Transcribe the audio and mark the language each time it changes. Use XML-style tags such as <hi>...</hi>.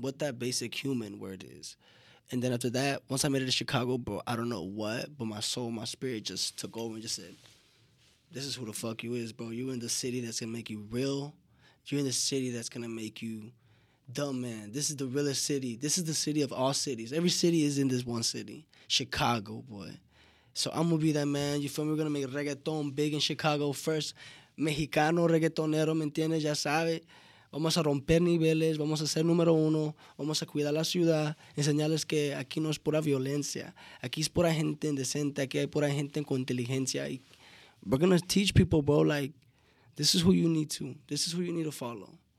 <en>What that basic human word is. And then after that, once I made it to Chicago, bro, I don't know what, but my soul, my spirit just took over and just said, this is who the fuck you is, bro. You in the city that's going to make you real. You're in the city that's going to make you dumb, man. This is the realest city. This is the city of all cities. Every city is in this one city. Chicago, boy. So I'm going to be that man. You feel me? We're going to make reggaeton big in Chicago first.</en> <es>Mexicano reggaetonero, ¿me entiendes? Ya sabe. Vamos a romper niveles. Vamos a ser número uno. Vamos a cuidar la ciudad. Enseñarles que aquí no es pura violencia. Aquí es pura gente indecente. Aquí hay pura gente con inteligencia.</es> <en>Y we're going to teach people, bro, like, this is who you need to. This is who you need to follow.</en>